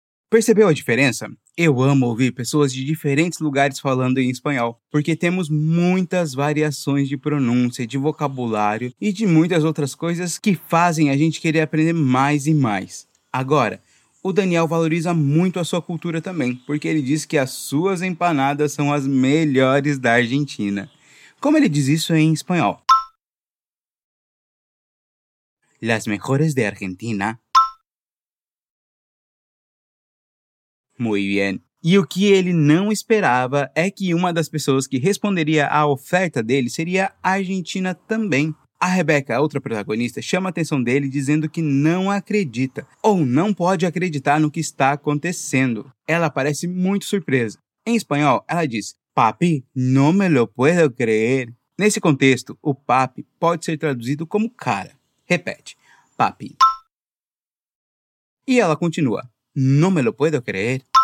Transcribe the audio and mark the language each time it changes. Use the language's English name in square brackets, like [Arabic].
[Portuguese] Percebeu a diferença? Eu amo ouvir pessoas de diferentes lugares falando em espanhol, porque temos muitas variações de pronúncia, de vocabulário e de muitas outras coisas que fazem a gente querer aprender mais e mais. Agora, o Daniel valoriza muito a sua cultura também, porque ele diz que as suas empanadas são as melhores da Argentina. Como ele diz isso em espanhol? [Spanish] Las mejores de Argentina. Muy bien. [Portuguese] E o que ele não esperava é que uma das pessoas que responderia à oferta dele seria a Argentina também. A Rebeca, outra protagonista, chama a atenção dele dizendo que não acredita ou não pode acreditar no que está acontecendo. Ela parece muito surpresa. Em espanhol, ela diz, [Spanish] papi, no me lo puedo creer. [Portuguese] Nesse contexto, o papi pode ser traduzido como cara. Repete, papi. E ela continua, [Spanish] no me lo puedo creer.